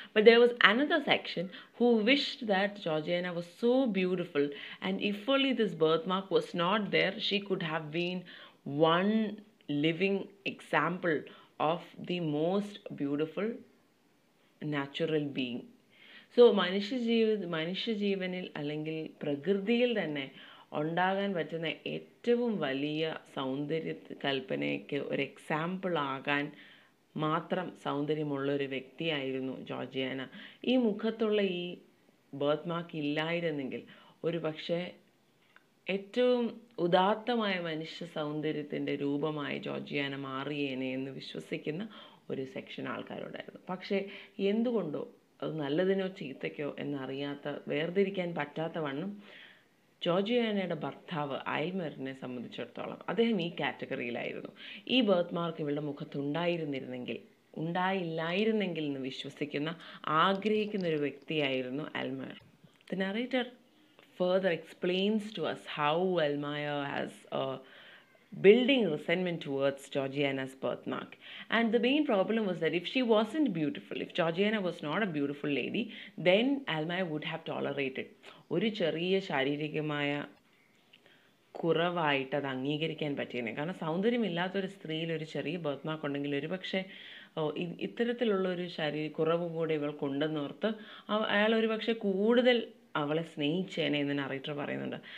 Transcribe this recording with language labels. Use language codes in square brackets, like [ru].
[en] But there was another section who wished that Georgiana was so beautiful, and if only this birthmark was not there, she could have been one living example of the most beautiful natural being. [ml] So മനുഷ്യജീവനിൽ അല്ലെങ്കിൽ പ്രകൃതിയിൽ തന്നെ ഉണ്ടാകാൻ പറ്റുന്ന ഏറ്റവും വലിയ സൗന്ദര്യ കൽപ്പനയ്ക്ക് ഒരു എക്സാമ്പിളാകാൻ മാത്രം സൗന്ദര്യമുള്ളൊരു വ്യക്തിയായിരുന്നു ജോർജിയാന. ഈ മുഖത്തുള്ള ഈ ബർത്ത്മാർക്ക് ഇല്ലായിരുന്നെങ്കിൽ ഒരു പക്ഷേ ഏറ്റവും ഉദാത്തമായ മനുഷ്യ സൗന്ദര്യത്തിൻ്റെ രൂപമായി ജോർജിയാന മാറിയേനെ എന്ന് വിശ്വസിക്കുന്ന ഒരു സെക്ഷൻ ആൾക്കാരുണ്ടായിരുന്നു. പക്ഷേ എന്തുകൊണ്ടോ അത് നല്ലതിനോ ചീത്തയ്ക്കോ എന്നറിയാത്ത, വേർതിരിക്കാൻ പറ്റാത്ത വണ്ണം ജോർജിയാനയുടെ ഭർത്താവ് ആൽമറിനെ സംബന്ധിച്ചിടത്തോളം അദ്ദേഹം ഈ കാറ്റഗറിയിലായിരുന്നു. ഈ ബർത്ത്മാർക്ക് ഇവളുടെ മുഖത്തുണ്ടായിരുന്നിരുന്നെങ്കിൽ, ഉണ്ടായില്ലായിരുന്നെങ്കിൽ എന്ന് വിശ്വസിക്കുന്ന, ആഗ്രഹിക്കുന്ന ഒരു വ്യക്തിയായിരുന്നു ആൽമയർ. [en] The narrator further explains to us how Aylmer has building resentment towards Georgiana's birthmark. And the main problem was that if she wasn't beautiful, if Georgiana was not a beautiful lady, then Almaya would have tolerated. [ml] ഒരു ചെറിയ ശാരീരികമായ കുറവായിട്ട് അത് അംഗീകരിക്കാൻ പറ്റിയേനെ. കാരണം സൗന്ദര്യമില്ലാത്തൊരു സ്ത്രീയിൽ ഒരു ചെറിയ ബർത്ത്മാർക്ക് ഉണ്ടെങ്കിൽ ഒരു പക്ഷേ ഇത്തരത്തിലുള്ളൊരു ശാരീരിക കുറവ് കൂടെ ഇവൾ കൊണ്ടുവന്നോർത്ത് അയാൾ ഒരു പക്ഷേ കൂടുതൽ അവളെ സ്നേഹിച്ചേനെ എന്ന് നറേറ്റർ പറയുന്നുണ്ട്.